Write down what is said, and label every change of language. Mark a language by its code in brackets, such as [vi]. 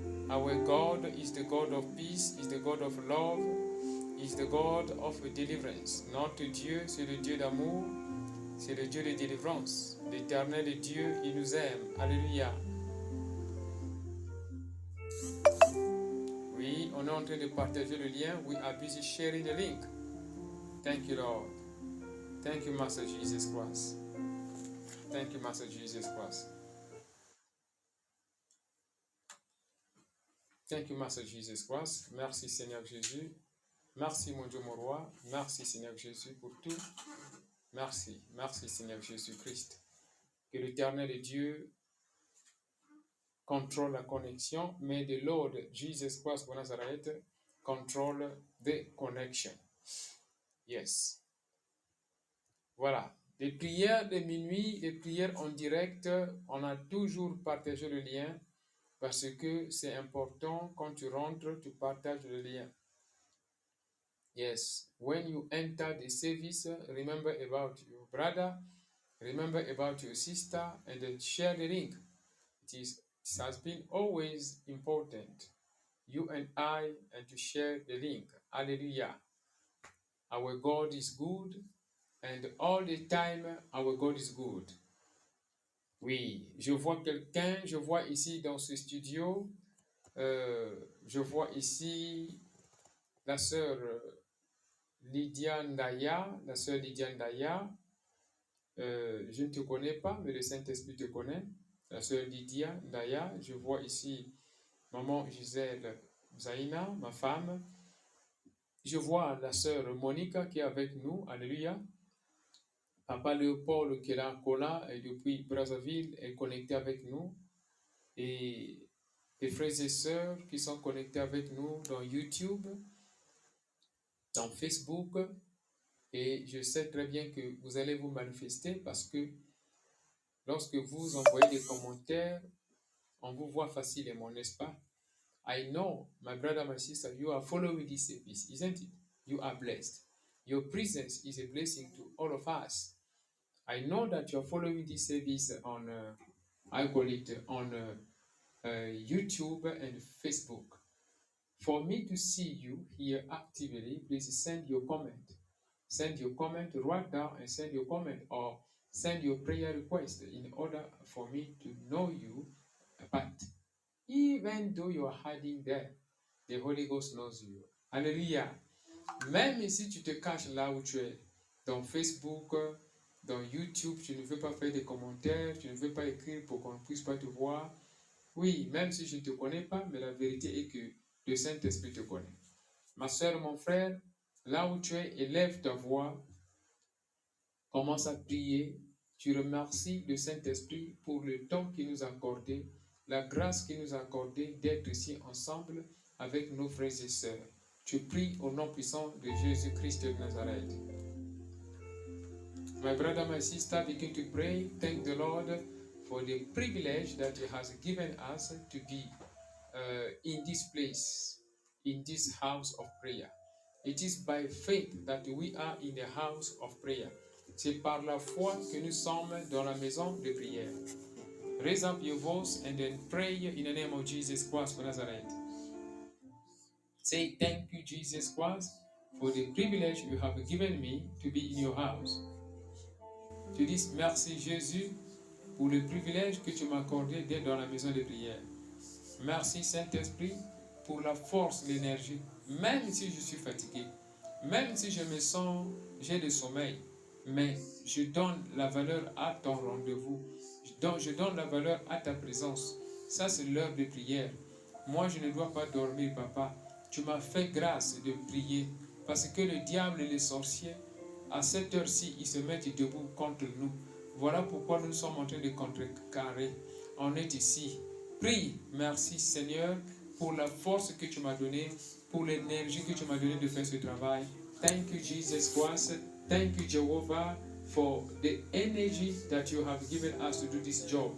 [en] Our God is the God of peace, is the God of love, is the God of deliverance. [fr] Notre Dieu, c'est le Dieu d'amour, c'est le Dieu de délivrance. L'Éternel Dieu, il nous aime. Alléluia. Oui, on est en train de partager le lien. [en] We are busy sharing the link. Thank you, Lord. Thank you, Master Jesus Christ. Thank you, Master Jesus Christ. Thank you, Master Jesus Christ. [fr] Merci, Seigneur Jésus. Merci, mon Dieu, mon roi. Merci, Seigneur Jésus, pour tout. Merci. Merci, Seigneur Jésus-Christ. Que l'Éternel Dieu contrôle la connexion, mais [en] the Lord Jesus Christ of Nazareth [fr] contrôle [en] the connection. Yes. [fr] Voilà. Les prières de minuit, les prières en direct, on a toujours partagé le lien. Parce que c'est important, quand tu rentres, tu partages le lien. [en] Yes, when you enter the service, remember about your brother, remember about your sister, and then share the link. It has been always important, you and I, and to share the link. Alleluia. Our God is good, and all the time, our God is good. [fr] Oui, je vois quelqu'un, je vois ici dans ce studio, je vois ici la sœur Lydia Ndaya, je ne te connais pas, mais le Saint-Esprit te connaît, la sœur Lydia Ndaya, je vois ici maman Gisèle Zaina, ma femme, je vois la sœur Monica qui est avec nous, alléluia. Papa Léopold qui est là, Kola, et depuis Brazzaville, est connecté avec nous. Et des frères et sœurs qui sont connectés avec nous dans YouTube, dans Facebook, et je sais très bien que vous allez vous manifester parce que lorsque vous envoyez des commentaires, on vous voit facilement, n'est-ce pas? [en] I know, my brother, my sister, you are following this service, isn't it? You are blessed. Your presence is a blessing to all of us. I know that you're following this service on, I call it, on YouTube and Facebook. For me to see you here actively, please send your comment. Send your comment, write down and send your comment or send your prayer request in order for me to know you. But even though you are hiding there, the Holy Ghost knows you. Hallelujah. [fr] Même si tu te caches là où tu es, dans Facebook, dans YouTube, tu ne veux pas faire des commentaires, tu ne veux pas écrire pour qu'on ne puisse pas te voir. Oui, même si je ne te connais pas, mais la vérité est que le Saint-Esprit te connaît. Ma soeur, mon frère, là où tu es, élève ta voix, commence à prier. Tu remercies le Saint-Esprit pour le temps qu'il nous a accordé, la grâce qu'il nous a accordé d'être ici ensemble avec nos frères et sœurs. Tu pries au nom puissant de Jésus-Christ de Nazareth. [en] My brother, my sister, begin to pray. Thank the Lord for the privilege that He has given us to be in this place, in this house of prayer. It is by faith that we are in the house of prayer. [fr] C'est par la foi que nous sommes dans la maison de prière. [en] Raise up your voice and then pray in the name of Jesus Christ of Nazareth. Say thank you, Jesus Christ, for the privilege you have given me to be in your house. [fr] Tu dis merci, Jésus, pour le privilège que tu m'as accordé d'être dans la maison de prière. Merci, Saint-Esprit, pour la force, l'énergie, même si je suis fatigué, même si je me sens, j'ai le sommeil, mais je donne la valeur à ton rendez-vous. Je donne la valeur à ta présence. Ça, c'est l'heure de prière. Moi, je ne dois pas dormir, papa. Tu m'as fait grâce de prier parce que le diable et les sorciers, à cette heure-ci, ils se mettent debout contre nous. Voilà pourquoi nous sommes en train de contrecarrer. On est ici. Prie, merci Seigneur, pour la force que tu m'as donnée, pour l'énergie que tu m'as donnée de faire ce travail. [en] Thank you, Jesus Christ. Thank you, Jehovah, for the energy that you have given us to do this job.